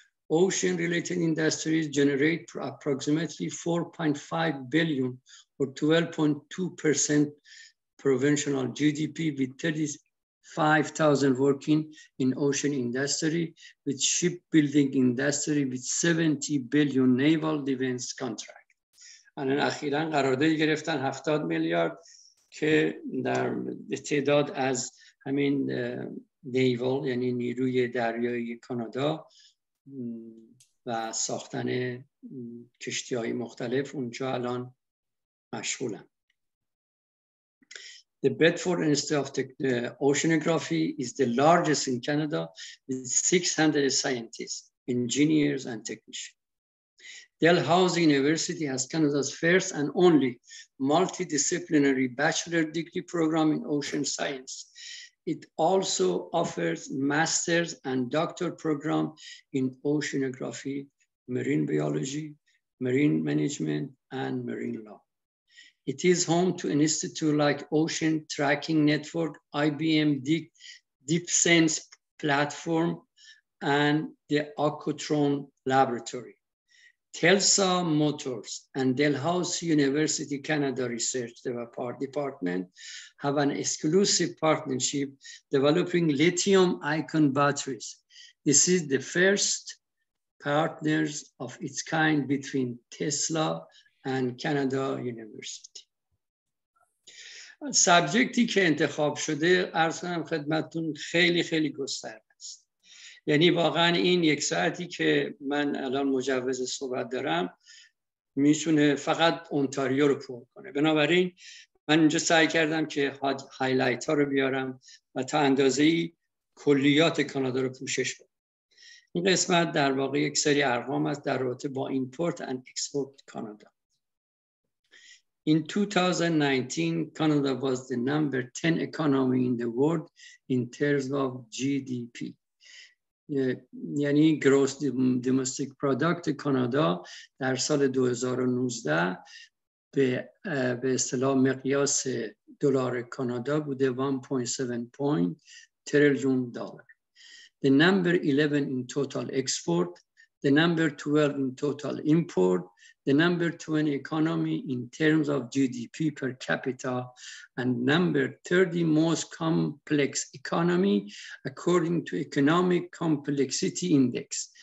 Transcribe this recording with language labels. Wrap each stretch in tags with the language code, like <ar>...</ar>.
<en>Ocean-related industries generate approximately 4.5 billion or 12.2% provincial GDP with 35,000 working in ocean industry, with shipbuilding industry with 70 billion naval defense contract. And in</en> <fa>اخیراً قرارداد گرفتن 70 میلیارد که در تعداد از همین نیوال یعنی نیروی دریایی کانادا و ساختن کشتی های مختلف اونجا الان مشغولن.</fa> <en>The Bedford Institute of Oceanography is the largest in Canada with 600 scientists, engineers, and technicians. Dalhousie University has Canada's first and only multidisciplinary bachelor degree program in ocean science. It also offers master's and doctoral program in oceanography, marine biology, marine management, and marine law. It is home to an institute like Ocean Tracking Network, IBM DeepSense platform, and the Aquatron Laboratory. Telsa Motors and Dalhousie University Canada Research Department have an exclusive partnership developing lithium ion batteries. This is the first partners of its kind between Tesla and Canada University.</en> <fa>سبجکتی که انتخاب شده عرض کنم خدمتتون خیلی خیلی گسترده است. یعنی واقعا این یک ساعتی که من الان مجوز صحبت دارم میتونه فقط اونتاریو رو پر کنه. بنابراین من اینجا سعی کردم که هایلایت ها رو بیارم و تا اندازه‌ای کلیات کانادا رو پوشش بدم. این قسمت در واقع یک سری ارقام است در رابطه با</fa> <en>import and export</en> <fa>کانادا.</fa> <en>In 2019, Canada was the number 10 economy in the world in terms of GDP.</en> <fa>Yani</fa> <en>gross domestic product</en> <fa>Canada در سال 2019 به اصطلاح مقیاس دلار کانادا بوده 1.7</fa> <en>point trillion dollar. The number 11 in total export, the number 12 in total import, the number 20 economy in terms of GDP per capita, and number 30 most complex economy according to Economic Complexity Index.</en>